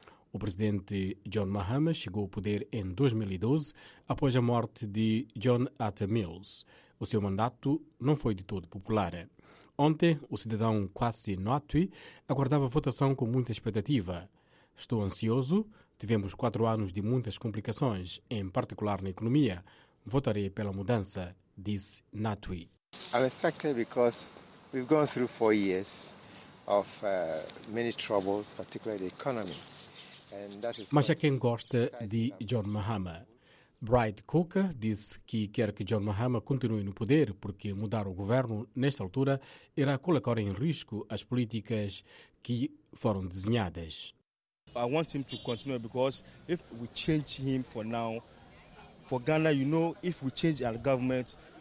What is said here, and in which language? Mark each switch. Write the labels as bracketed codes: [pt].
[pt] O presidente John Mahama chegou ao poder em 2012, após a morte de John Atta Mills. O seu mandato não foi de todo popular. Ontem, o cidadão Kwasi Nwatwi aguardava a votação com muita expectativa. Estou ansioso. Tivemos 4 anos de muitas complicações, em particular na economia. Votarei pela mudança, disse Nwatwi. [en] I'm excited because we've gone through 4 years of many troubles, particularly the economy. [pt] Mas há quem gosta de John Mahama. Bright Cook disse que quer que John Mahama continue no poder porque mudar o governo, nesta altura, irá colocar em risco as políticas que foram desenhadas. [en] I want him to continue because if we change him for now, for Ghana, you know, if we change our government,